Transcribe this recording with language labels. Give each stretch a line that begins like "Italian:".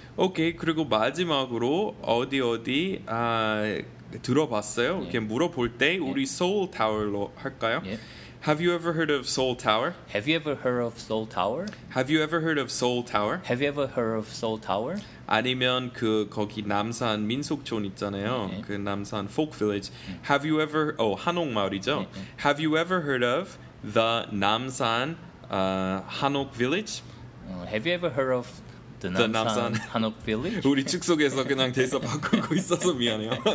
Korean: Okay, 그리고 마지막으로 어디 들어봤어요? 이렇게 yeah. 물어볼 때 yeah. 우리 Seoul Tower로 할까요?
English: Yeah. Have you ever heard of Seoul Tower? Have you ever heard of Seoul Tower? Have you ever heard of Seoul Tower? Have you ever heard of Seoul Tower?
Korean: 아니면 그 거기 남산 민속촌 있잖아요. Mm-hmm. 그 남산
English: folk village.
Korean: Mm-hmm.
English: Have you ever
Korean: oh, 한옥 마을이죠? Mm-hmm.
English: Have you ever heard of the 남산 한옥 village? Have you ever heard of the 남산 한옥 village?
Korean: 우리 즉석에서 그냥 대사 바꾸고 있어서 미안해요.